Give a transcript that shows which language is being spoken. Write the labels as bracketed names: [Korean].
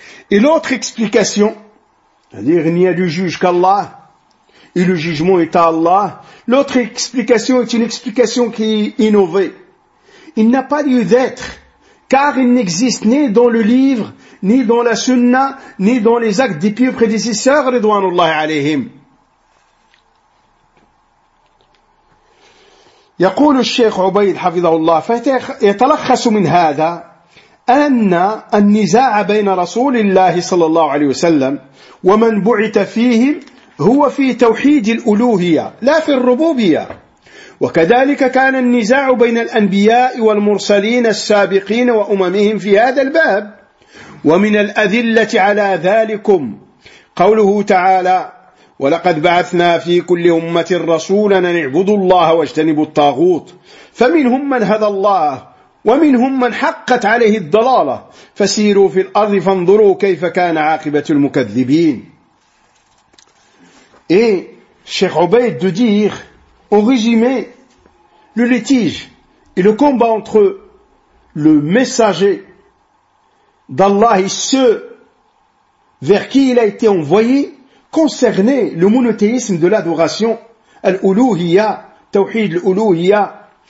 [French] Et l'autre explication, c'est-à-dire il n'y a de juge qu'Allah, et le jugement est à Allah, l'autre explication est une explication qui est innovée. Il n'a pas lieu d'être, car il n'existe ni dans le livre, ni dans la sunna, ni dans les actes des pieux prédécesseurs, ridwanullahi alayhim. [Arabic] يقول الشيخ عبيد حفظه الله يتلخص من هذا أن النزاع بين رسول الله صلى الله عليه وسلم ومن بعث فيهم هو في توحيد الألوهية لا في الربوبية وكذلك كان النزاع بين الأنبياء والمرسلين السابقين وأممهم في هذا الباب ومن الأذلة على ذلكم قوله تعالى ولقد بعثنا في كل أمة رسولا أن اعبدوا الله واجتنبوا الطاغوت فمنهم من هدى الله ومنهم من حقت عليه الضلالة فسيروا في الأرض فانظروا كيف كان عاقبة المكذبين. [French] Et Cheikh Obeid de dire, en résumé, le litige et le combat entre le messager d'Allah et ceux vers qui il a été envoyé concernait le monothéisme de l'adoration, al-uluhiya, tawhid al-uluhiya.